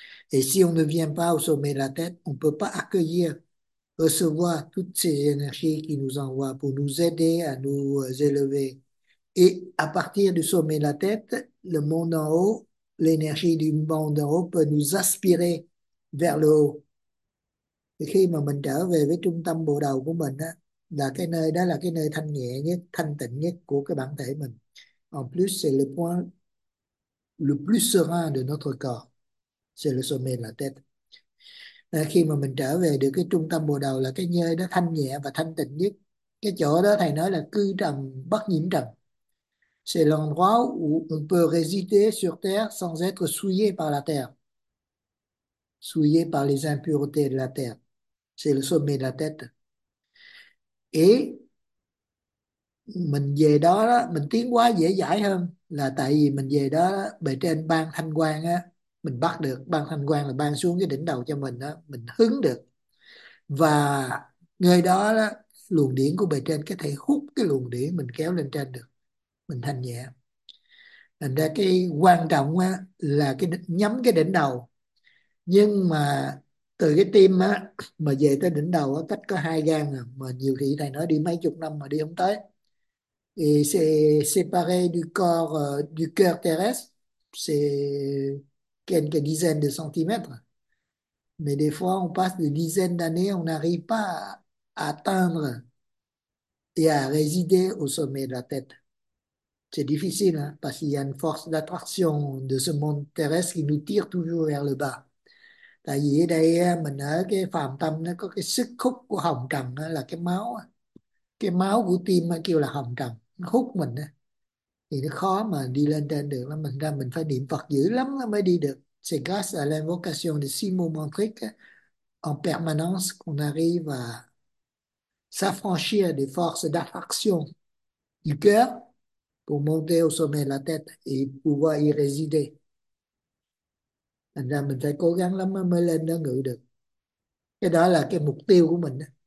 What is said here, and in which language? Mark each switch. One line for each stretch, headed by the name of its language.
French: Et si on ne vient pas au sommet de la tête, on ne peut pas accueillir, recevoir toutes ces énergies qui nous envoient pour nous aider à nous élever. Et à partir du sommet de la tête, le monde en haut, l'énergie du monde en haut peut nous aspirer vers le haut.
Vietnamese: Et khi mà mình trở về với trung tâm bộ đầu của mình á, là cái nơi đó là cái nơi thanh nhẹ nhất, thanh tịnh nhất của cái bản thể mình.
French: En plus, c'est le point le plus serein de notre corps. C'est le sommet de la tête.
Vietnamese: Et khi mà mình trở về được cái trung tâm bộ đầu là cái nơi đó thanh nhẹ và thanh tịnh nhất. Cái chỗ đó thầy nói là cư trầm, bất nhiễm trầm.
French: C'est l'endroit où on peut résider sur Terre sans être souillé par la Terre, souillé par les impuretés de la Terre. C'est le sommet de la tête.
Vietnamese: Et mình về đó, mình tiến hóa dễ dãi hơn là tại vì mình về đó, bề trên ban thanh quang á, mình bắt được, ban thanh quang là ban xuống cái đỉnh đầu cho mình á, mình hứng được. Và nơi đó, đó, luồng điển của bề trên có thể hút cái luồng điển mình kéo lên trên được. Mình thanh nhẹ. Thành ra cái quan trọng á, là cái nhắm cái đỉnh đầu. Nhưng mà từ cái tim á, mà về tới đỉnh đầu á, cách có 2 gang à, mà nhiều khi thầy nói đi mấy chục năm mà đi không tới.
French: Et c'est séparé du corps, du cœur terrestre, c'est quelques dizaines de centimètres. Mais des fois, on passe des dizaines d'années, on n'arrive pas à atteindre et à résider au sommet de la tête. C'est difficile, hein, parce qu'il y a une force d'attraction de ce monde terrestre qui nous tire toujours vers le bas.
Vietnamese: Tại vì ở đây mình ở cái phàm tâm nó có cái sức hút của hồng trần là cái máu của tim kêu là hồng trần nó hút mình thì nó khó mà đi lên trên được lắm, mình ra mình phải niệm Phật dữ lắm nó mới đi được.
French: C'est grâce à l'invocation de six mots mantriques en permanence qu'on arrive à s'affranchir des forces d'attraction du cœur pour monter au sommet de la tête et pouvoir y résider.
Vietnamese: Thành ra mình phải cố gắng lắm mới lên đó ngự được. Cái đó là cái mục tiêu của mình.